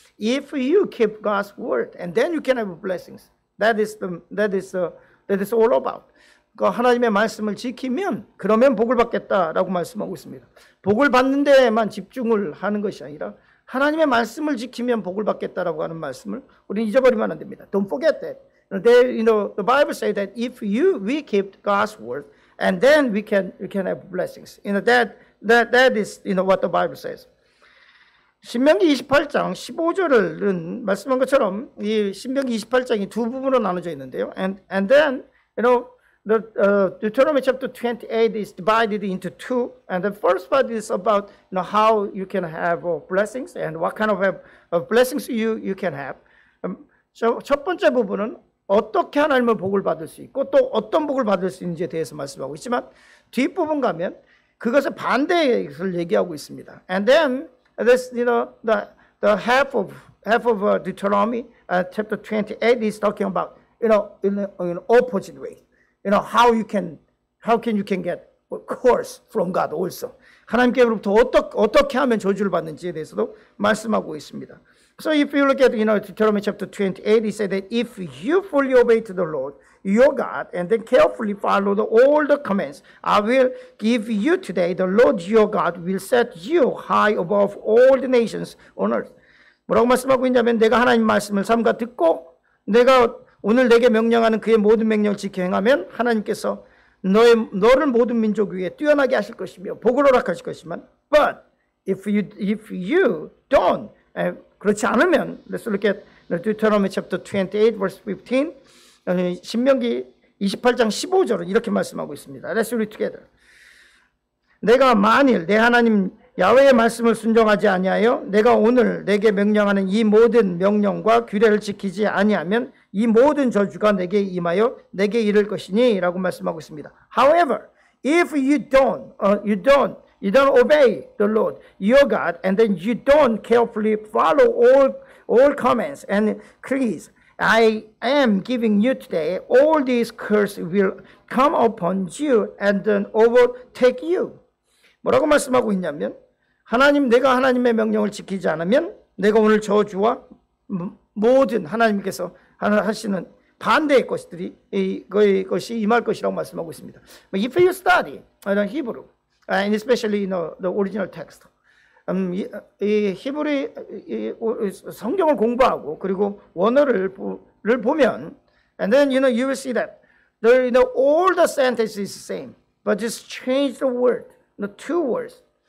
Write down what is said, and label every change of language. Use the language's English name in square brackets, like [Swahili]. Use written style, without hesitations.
[English] If you keep God's word, and then you can have blessings. That is all about. [Korean] 그 하나님의 말씀을 지키면 그러면 복을 받겠다라고 말씀하고 있습니다. 복을 받는 데에만 집중을 하는 것이 아니라 하나님의 말씀을 지키면 복을 받겠다라고 하는 말씀을 우리는 잊어버리면 안 됩니다. [English] Don't forget that. The Bible says that if we keep God's word, and then we can have blessings. You know that is what the Bible says. [Korean] 신명기 28장 15절은 말씀한 것처럼 이 신명기 28장이 두 부분으로 나눠져 있는데요. [English] Deuteronomy chapter 28 is divided into two, and the first part is about how you can have blessings and what kind of blessings you can have. [Korean] 첫 번째 부분은 어떻게 하나님의 복을 받을 수 있고 또 어떤 복을 받을 수 있는지에 대해서 말씀하고 있지만 뒷부분 가면 그것의 반대를 얘기하고 있습니다. [English] And then this the half of Deuteronomy chapter 28 is talking about in an opposite way. How can you get curse from God also? [Korean] 하나님께로부터 어떻게 하면 저주를 받는지에 대해서도 말씀하고 있습니다. [English] So if you look at Deuteronomy chapter 28, he said that if you fully obey to the Lord your God and then carefully follow all the commands I will give you today, the Lord your God will set you high above all the nations on earth. [Korean] 뭐라고 말씀하고 있냐면 내가 하나님 말씀을 삼가 듣고 내가 오늘 내게 명령하는 그의 모든 명령을 지켜 행하면 하나님께서 너를 모든 민족 위에 뛰어나게 하실 것이며 복을 허락하실 것이지만 [English] but if you don't [Korean] 그렇지 않으면 [English] let's look at Deuteronomy chapter 28 verse 15 [Korean] 신명기 28장 15절은 이렇게 말씀하고 있습니다. [English] Let's read together. [Korean] 내가 만일 내 하나님 야훼의 말씀을 순종하지 아니하여 내가 오늘 내게 명령하는 이 모든 명령과 규례를 지키지 아니하면 이 모든 저주가 내게 임하여 내게 이를 것이니라고 말씀하고 있습니다. [English] However, if you don't obey the Lord your God, and then you don't carefully follow all commands and decrees I am giving you today, all these curses will come upon you and then overtake you. [Korean] 뭐라고 말씀하고 있냐면 하나님 내가 하나님의 명령을 지키지 않으면 내가 오늘 저주와 모든 하나님께서 하시는 반대의 것들이 이것이 임할 것이라고 말씀하고 있습니다. [English] If you study Hebrew and especially the original text, [Korean] 이 히브리 성경을 공부하고 그리고 원어를 보면 [English] and then you will see that all the sentences is the same but just change the word, two words.